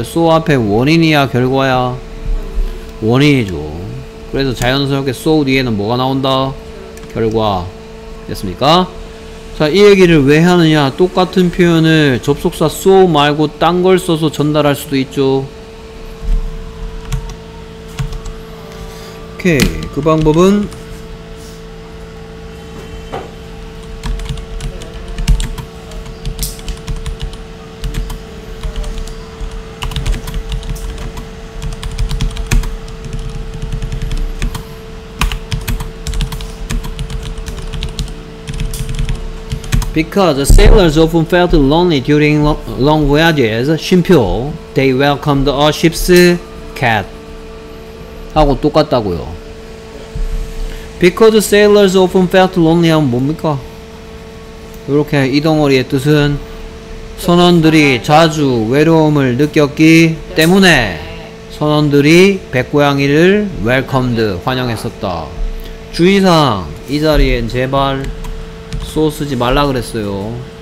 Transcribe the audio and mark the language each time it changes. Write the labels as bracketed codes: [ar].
[ko] so 앞에 원인이야 결과야? 원인이죠. 그래서 자연스럽게 so 뒤에는 뭐가 나온다? 결과 됐습니까? 자, 이 얘기를 왜 하느냐? 똑같은 표현을 접속사 so 말고 딴 걸 써서 전달할 수도 있죠. 오케이. 그 방법은 [en] Because the sailors often felt lonely during long voyages, [ko] 쉼표, [en] they welcomed a ship's cat. [ko] 하고 똑같다고요. [en] Because the sailors often felt lonely [ko] 하면 뭡니까? 이렇게 이 덩어리의 뜻은 선원들이 자주 외로움을 느꼈기 때문에 선원들이 백고양이를 welcomed, 환영했었다. 주의사항, 이 자리엔 제발 so 쓰지 말라 그랬어요.